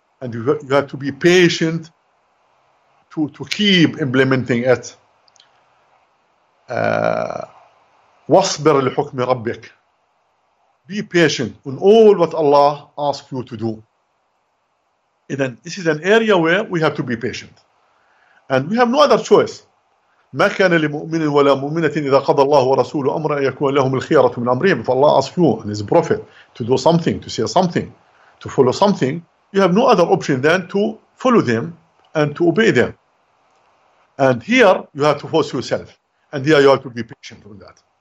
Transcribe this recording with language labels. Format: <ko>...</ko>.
<en>And you have to be patient to keep implementing it.</en> <ar>وَاصْبِرْ لِحُكْمِ رَبِّكَ.</ar> <en>Be patient on all what Allah asks you to do. And then this is an area where we have to be patient. And we have no other choice.</en> <ar>ما كان لمؤمن ولا مؤمنة إذا قضى الله ورسوله أمرا أن يكون لهم الخيرة من أمرهم.</ar> <en>فالله asks you and his prophet to do something, to say something, to follow something. You have no other option than to follow them and to obey them. And here you have to force yourself. And here you have to be patient on that.</en>